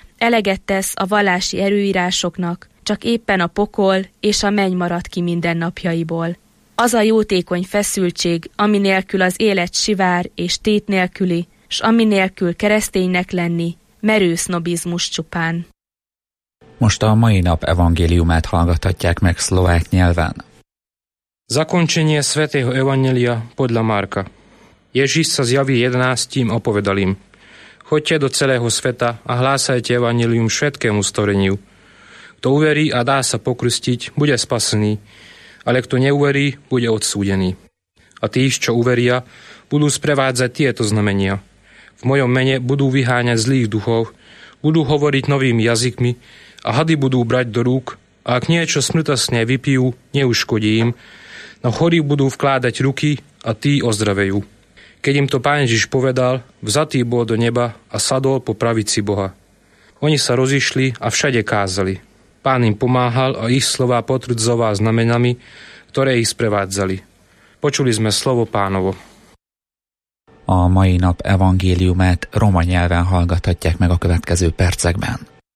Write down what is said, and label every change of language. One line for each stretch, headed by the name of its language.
Hungarian: eleget tesz a vallási erőírásoknak, csak éppen a pokol és a menny marad ki mindennapjaiból. Az a jótékony feszültség, ami nélkül az élet sivár és tét nélküli, s ami nélkül kereszténynek lenni, merő sznobizmus csupán. Most a mai nap evangéliumát hallgathatják meg szlovák nyelven.
Slovak: Zakončenie svätého evangelia podľa Marka. Ježiš sa zjaví 11 opovedalím. Choďte do celého sveta a hlásajte evangelium všetkému stvoreniu. Kto uverí a dá sa pokrstiť, bude spasený, ale kto neuverí, bude odsúdený. A tí, čo uveria, budú sprevádzať tieto znamenia. V mojom mene budú vyháňať zlých duchov, budú hovoriť novými jazykmi a hady budú brať do rúk a ak niečo smrtasné vypijú, neuškodí im, no chorí budú vkládať ruky a tí ozdravejú. Keď im to Pán Ježiš povedal, vzatý bol do neba a sadol po pravici Boha. Oni sa rozišli a všade kázali. Pán im pomáhal a ich slová potvrdzoval znamenami, ktoré ich sprevádzali. Počuli sme slovo Pánovo.
Hungarian: A mai nap evangéliumát roma nyelven hallgathatják meg a következő percekben.